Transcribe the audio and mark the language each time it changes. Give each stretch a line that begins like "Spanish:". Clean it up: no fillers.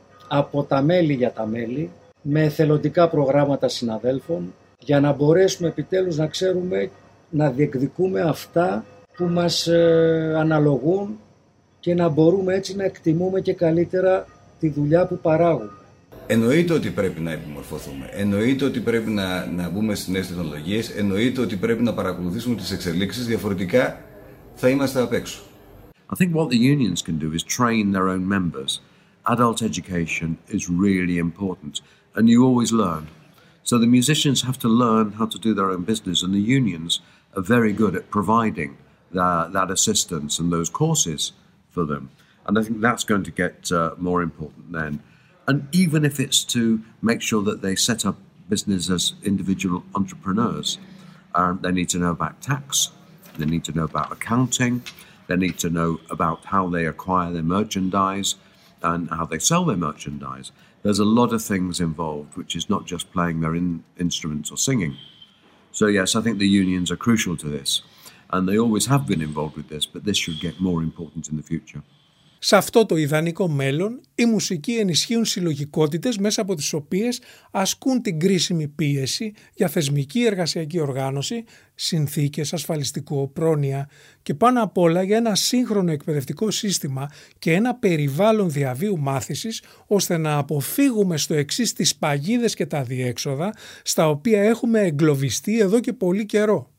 Greek: από τα μέλη για τα μέλη, με εθελοντικά προγράμματα συναδέλφων, για να μπορέσουμε επιτέλους να ξέρουμε να διεκδικούμε αυτά που μας αναλογούν και να μπορούμε έτσι να εκτιμούμε και καλύτερα τη δουλειά που παράγουμε. Εννοείται ότι πρέπει να επιμορφωθούμε, εννοείται ότι πρέπει να μπούμε στις νέες τεχνολογίες, εννοείται ότι πρέπει να παρακολουθήσουμε τις εξελίξεις, διαφορετικά θα είμαστε απ' έξω.
English: I think what the unions can do is train their own members. Adult education is really important, and you always learn. So the musicians have to learn how to do their own business, and the unions are very good at providing that assistance and those courses for them. And I think that's going to get more important then. And even if it's to make sure that they set up business as individual entrepreneurs, they need to know about tax, they need to know about accounting, they need to know about how they acquire their merchandise and how they sell their merchandise. There's a lot of things involved, which is not just playing their instruments or singing. So yes, I think the unions are crucial to this. And they always have been involved with this, but this should get more important in the future.
Greek: Σε αυτό το ιδανικό μέλλον, οι μουσικοί ενισχύουν συλλογικότητες μέσα από τις οποίες ασκούν την κρίσιμη πίεση για θεσμική εργασιακή οργάνωση, συνθήκες, ασφαλιστικό, πρόνοια και πάνω απ' όλα για ένα σύγχρονο εκπαιδευτικό σύστημα και ένα περιβάλλον διαβίου μάθησης, ώστε να αποφύγουμε στο εξής τις παγίδες και τα διέξοδα στα οποία έχουμε εγκλωβιστεί εδώ και πολύ καιρό.